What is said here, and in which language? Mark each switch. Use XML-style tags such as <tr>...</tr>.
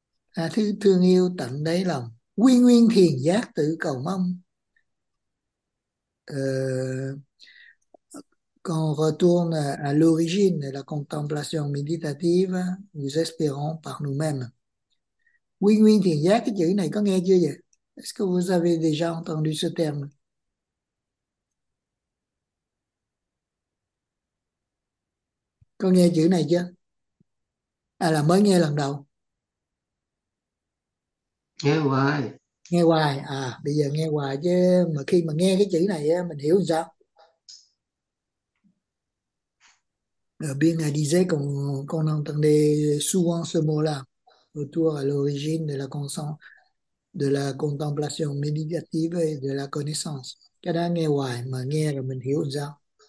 <vi>À thứ thương yêu tận đáy lòng, quy nguyên thiền giác tự cầu mong.</vi> <fr>Quand on retourne à l'origine de la contemplation méditative, nous espérons par nous-mêmes.</fr> <vi>Quy nguyên thiền giác, cái chữ này có nghe chưa vậy?</vi> <fr>Est-ce que vous avez déjà entendu ce terme?</fr> <vi>Có nghe chữ này chưa? À là mới nghe lần đầu. Nghe hoài Nghe hoài à, bây giờ nghe hoài chứ mà khi mà nghe cái chữ này á, mình hiểu sao?</vi> <fr>Le bien a disait qu'on entendait souvent ce mot-là autour à l'origine de la contemplation méditative et de la connaissance.</fr> <vi>Cái đó nghe hoài mà nghe rồi mình hiểu sao?</vi>